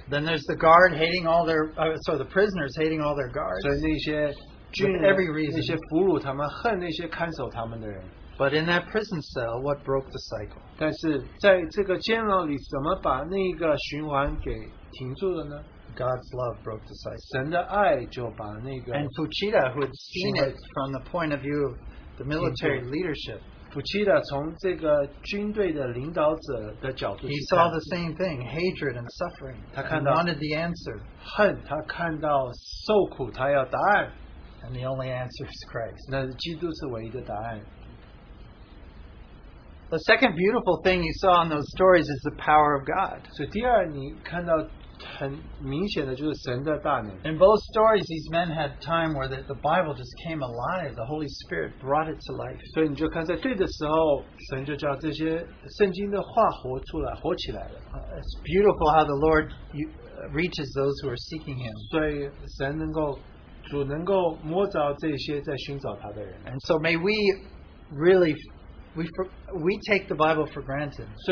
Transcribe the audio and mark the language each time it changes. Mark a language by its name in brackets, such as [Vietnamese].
[English] Then there's the guard hating all their, the prisoners hating all their guards. [Chinese] 所以那些军人, [English] with every reason, [Chinese] 那些俘虏他们恨那些看守他们的人。 [English] But in that prison cell, what broke the cycle? [Chinese] 但是在这个监牢里，怎么把那个循环给 停住了呢? [English] God's love broke the cycle. [Chinese] 神的爱就把那个, [English] and Fuchida, who had seen it from the point of view of the military leadership, [Chinese] Fuchida从这个军队的领导者的角度去看, [English] he saw the same thing, hatred and suffering. [Chinese] 他看到, [English] and wanted the answer. [Chinese] 恨, 他看到受苦, [English] and the only answer is Christ. [Chinese] 那基督是唯一的答案。 [English] The second beautiful thing you saw in those stories is the power of God. [Chinese] 很明显的就是神的大能。 [English] In both stories, these men had time where the Bible just came alive. The Holy Spirit brought it to life. [Chinese] 所以你就看在对的时候，神就叫这些圣经的话活出来，活起来了。 [English] It's beautiful how the Lord reaches those who are seeking Him. [Chinese] 所以神能够，主能够摸着这些在寻找他的人。 [English] And so may we really, we take the Bible for granted.